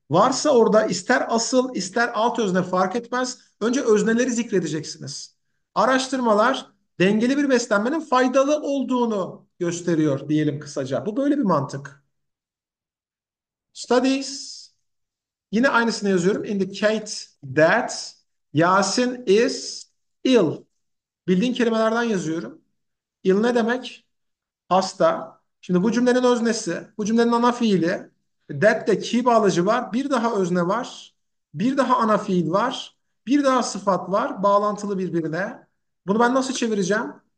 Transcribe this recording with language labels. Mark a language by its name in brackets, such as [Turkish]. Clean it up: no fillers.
[Turkish] Varsa orada ister asıl ister alt özne fark etmez. Önce özneleri zikredeceksiniz. Araştırmalar dengeli bir beslenmenin faydalı olduğunu gösteriyor diyelim kısaca. Bu böyle bir mantık. Studies. Yine aynısını yazıyorum. [English] Indicate that Yasin is ill. [Turkish] Bildiğin kelimelerden yazıyorum. Ill ne demek? Hasta. Şimdi bu cümlenin öznesi, bu cümlenin ana fiili. That de key bağlacı var. Bir daha özne var. Bir daha ana fiil var. Bir daha sıfat var. Bağlantılı birbirine. Bunu ben nasıl çevireceğim?